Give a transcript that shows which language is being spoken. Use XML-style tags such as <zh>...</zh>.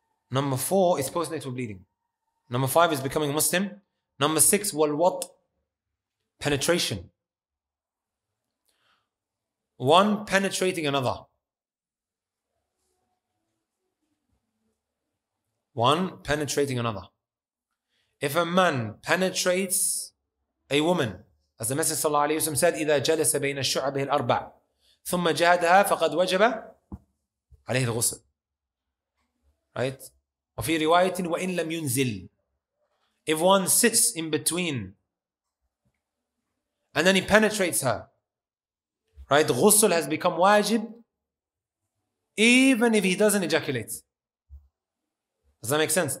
<en>Number four is postnatal bleeding. Number five is becoming Muslim. Number six, well, what? Penetration. One penetrating another. One penetrating another. If a man penetrates a woman, as the Messenger</en> <ar>صلى الله عليه وسلم</ar> <en>said,</en> <ar>إذا جلس بين الشعبه الأربع ثم جهدها فقد وجب عليه الغسل.</ar> <en>Right?</en> <ar>وفي رواية وإن لم ينزل.</ar> <en>If one sits in between and then he penetrates her, right? Ghusl has become wajib even if he doesn't ejaculate. Does that make sense?</en>